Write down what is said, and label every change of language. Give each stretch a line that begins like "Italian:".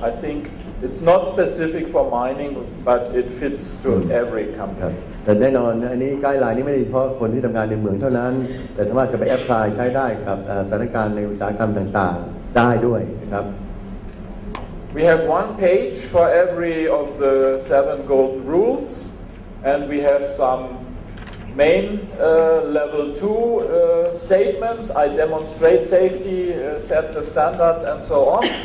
English: I think it's not specific for mining, but it fits to every company.
Thai: แต่แน่นอนอันนี้ไกด์ไลน์นี้ไม่ได้เฉพาะคนที่ทำงานในเมืองเท่านั้นแต่สามารถจะไปแอพพลายใช้ได้กับสถานการณ์ในอุตสาหกรรมต่างๆได้ด้วยครับ
English: We have one page for every of the seven golden rules, and we have some. Main level two statements. I demonstrate safety, set the standards, and so on.